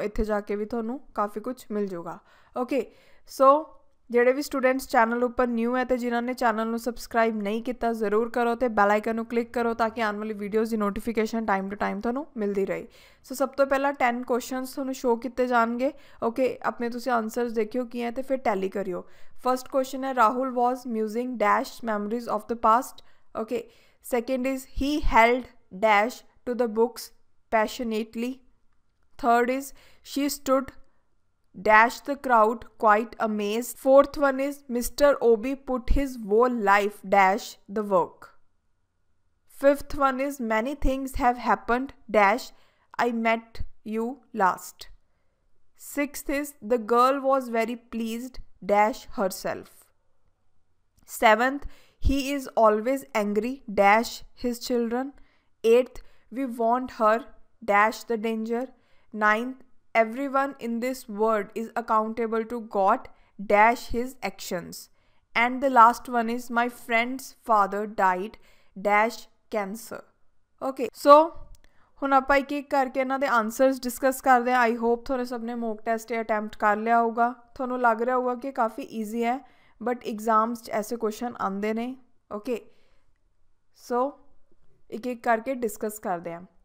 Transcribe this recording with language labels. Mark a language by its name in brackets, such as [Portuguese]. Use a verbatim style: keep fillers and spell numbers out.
[Punjabi] ਇੱਥੇ ਜਾ ਕੇ ਵੀ ਤੁਹਾਨੂੰ ਕਾਫੀ ਕੁਝ ਮਿਲ ਜੂਗਾ। ਓਕੇ, ਸੋ ਜਿਹੜੇ ਵੀ ਸਟੂਡੈਂਟਸ ਚੈਨਲ ਉੱਪਰ ਨਿਊ ਹੈ ਅਤੇ ਜਿਨ੍ਹਾਂ ਨੇ ਚੈਨਲ ਨੂੰ ਸਬਸਕ੍ਰਾਈਬ ਨਹੀਂ ਕੀਤਾ ਜ਼ਰੂਰ ਕਰੋ ਅਤੇ ਬੈਲ ਆਈਕਨ ਨੂੰ ਕਲਿੱਕ ਕਰੋ ਤਾਂ ਕਿ ਆਉਣ ਵਾਲੀ videos ਦੀ notification time to time ਤੁਹਾਨੂੰ ਮਿਲਦੀ ਰਹੇ। ਸੋ ਸਭ ਤੋਂ ਪਹਿਲਾਂ ਟੈਨ ਕੁਐਸਚਨਸ ਤੁਹਾਨੂੰ ਸ਼ੋਅ ਕੀਤੇ ਜਾਣਗੇ। ਓਕੇ, ਆਪਣੇ ਤੁਸੀਂ ਆਨਸਰਸ ਦੇਖਿਓ ਕੀ ਹੈ ਅਤੇ ਫਿਰ ਟੈਲੀ ਕਰਿਓ। [English] First question ਹੈ, Rahul was musing dash memories of the past. Okay, second is he held dash to the books passionately. Third is she stood dash the crowd quite amazed. Fourth one is Mister Obi put his whole life dash the work. Fifth one is many things have happened dash I met you last. Sixth is the girl was very pleased dash herself. Seventh, he is always angry dash his children. Eighth, we warned her dash the danger. Ninth, everyone in this world is accountable to God dash his actions. And the last one is my friend's father died dash cancer. [Punjabi] Okay, so ਹੁਣ ਆਪਾਂ ਇੱਕ ਇੱਕ ਕਰਕੇ ਇਹਨਾਂ ਦੇ answers discuss ਕਰਦੇ ਹਾਂ। I hope ਤੁਹਾਨੂੰ ਸਭ ਨੇ ਮੋਕ ਟੈਸਟ ਅਟੈਂਪਟ ਕਰ ਲਿਆ ਹੋਊਗਾ। ਤੁਹਾਨੂੰ ਲੱਗ ਰਿਹਾ ਹੋਊਗਾ ਕਿ ਕਾਫੀ ਈਜ਼ੀ ਹੈ, ਬਟ ਇਗਜ਼ਾਮਸ 'ਚ ਐਸੇ ਕੁਐਸਚਨ ਆਉਂਦੇ ਨੇ। ਓਕੇ, ਸੋ ਇੱਕ ਇੱਕ ਕਰਕੇ ਡਿਸਕਸ ਕਰਦੇ ਹਾਂ।